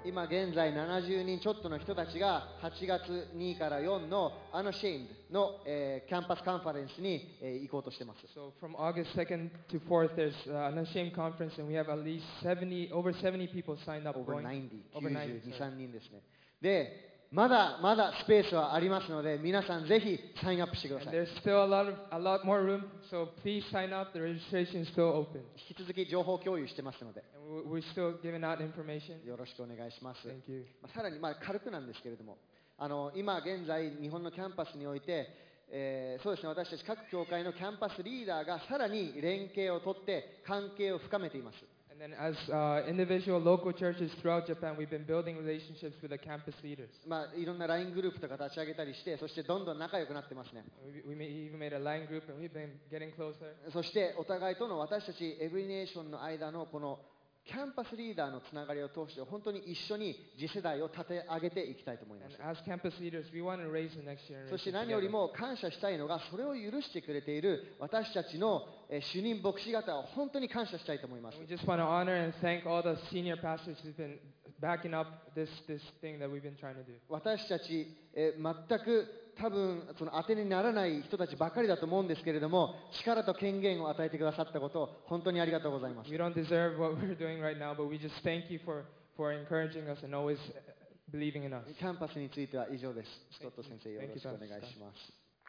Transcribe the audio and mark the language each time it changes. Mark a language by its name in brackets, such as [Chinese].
[Japanese] 今現在70人ちょっとの人たちが8月2から4の Unashamed の、キャンパスカンファレンスに、行こうとしてます。 [English] So from August 2nd to 4th, there's an Unashamed conference, and we have at least 70, over 70 people signed up. Over 90, 92, [Japanese] 3人ですね。で、まだまだスペースはありますので、皆さんぜひサインアップしてください。 [English] And、there's still a lot more room, so please sign up. The registration is still open. [Japanese] 引き続き情報共有してますので。 [English] And we're still giving out information. [Japanese] よろしくお願いします。 [English] Thank you. [Japanese] まあ、さらにまあ軽くなんですけれども、今現在日本のキャンパスにおいて、そうですね、私たち各教会のキャンパスリーダーがさらに連携を取って関係を深めています。 [English] And as individual local churches throughout Japan, we've been building relationships with the campus leaders. [Japanese] まあ、いろんな LINE グループとか立ち上げたりして、そしてどんどん仲良くなってますね。 [English] We made a LINE group and we've been getting closer. [Japanese] そしてお互いとの私たちエブリネーションの間のこのキャンパスリーダーのつながりを通して本当に一緒に次世代を立て上げていきたいと思います。 [English] And as campus leaders, we want to raise the next generation. [Japanese] そして何よりも感謝したいのがそれを許してくれている私たちの主任牧師方を本当に感謝したいと思います。 [English] We just want to honor and thank all the senior pastors who've been backing up this thing that we've been trying to do. [Japanese] 私たち、全く多分その当てにならない人たちばかりだと思うんですけれども、力と権限を与えてくださったことを本当にありがとうございます。 [English] We don't deserve what we're doing right now, but we just thank you for encouraging us and always believing in us. [Japanese] キャンパスについては以上です。スコット先生、よろしくお願いします。